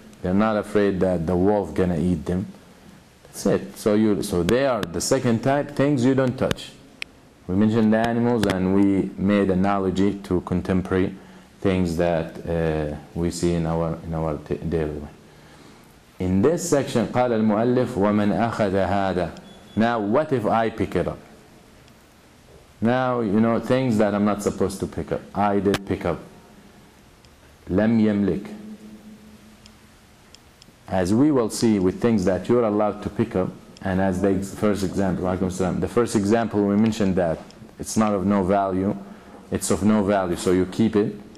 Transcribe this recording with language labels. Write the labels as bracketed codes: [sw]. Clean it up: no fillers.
[en] They're not afraid that the wolf gonna eat them. That's it. So they are the second type, things you don't touch. We mentioned the animals and we made analogy to contemporary things that we see in our daily life. In this section, [ar] قال المؤلف ومن أخذ هذا. [en] Now, what if I pick it up? Now, you know, things that I'm not supposed to pick up. I did pick up. [ar] لم يملك. [en] As we will see with things that you're allowed to pick up, and as the first example, the first example we mentioned that it's not of no value, it's of no value, so you keep it.